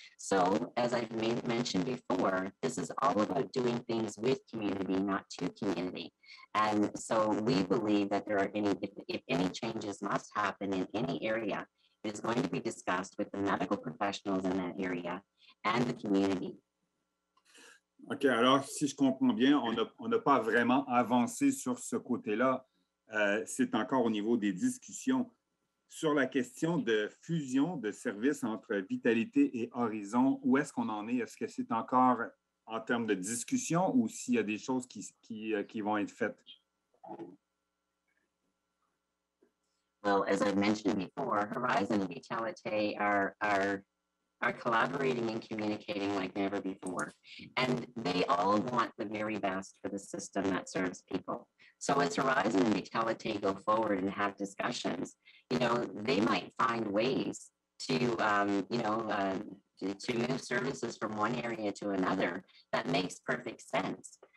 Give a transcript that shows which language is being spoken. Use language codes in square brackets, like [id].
[en] So as I've mentioned before, this is all about doing things with community, not to community. And so we believe that there are if any changes must happen in any area, it is going to be discussed with the medical professionals in that area and the community. [fr] Okay, alors si je comprends bien, on n'a pas vraiment avancé sur ce côté-là. C'est encore au niveau des discussions. sur la question de fusion de services entre Vitalité et Horizon, où est-ce qu'on en est? Est-ce que c'est encore en termes de discussion ou s'il y a des choses qui vont être faites? [en] Well, as I mentioned before, Horizon and Vitalité are collaborating and communicating like never before. And they all want the very best for the system that serves people. So as Horizon and Vitalité go forward and have discussions, you know, they might find ways to, to move services from one area to another that makes perfect sense.